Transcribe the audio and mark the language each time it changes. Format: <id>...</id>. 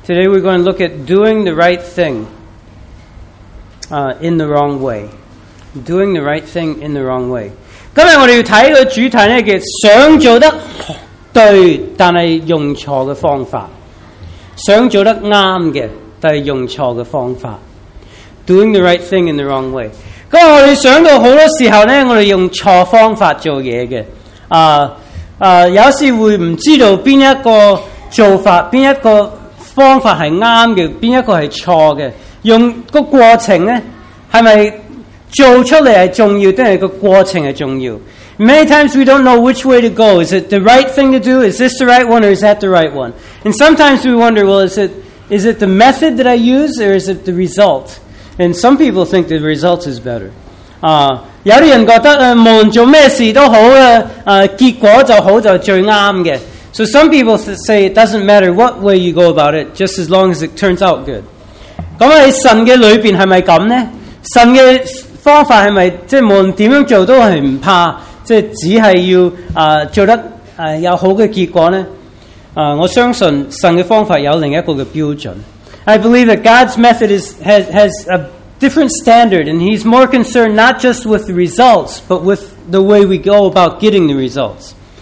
<en>Today we're going to look at doing the right thing in the wrong way. Doing the right thing in the wrong way。</en> <yue>今日我哋要睇个主题咧，叫想做得对，但是用错的方法；想做得啱的，但是用错的方法。</yue> <en>Doing the right thing in the wrong way。</en> <yue>咁我哋想到很多时候咧，我哋用错方法做嘢嘅。有时会唔知道边一个做法、边一个方法是啱嘅，边一个是错嘅。用个过程咧，系咪做出嚟是重要，定系个过程是重要？</yue> <en>Many times we don't know which way to go. Is it the right thing to do? Is this the right one, or is that the right one? And sometimes we wonder, well, is it the method that I use, or is it the result? And some people think the result is better.</en> <yue>有啲人觉得无论做咩事都好啊，结果就好就最啱嘅。</yue> <en>So some people say it doesn't matter what way you go about it, just as long as it turns out good.</en> <yue>咁喺神嘅里边系咪咁呢？神嘅方法系咪即系无论点样做都系唔怕，即系只系要做得有好嘅结果呢？我相信神嘅方法有另一个嘅标准。</yue> <en>I believe that God's method has a different standard, and He's more concerned not just with the results, but with the way we go about getting the results.</en>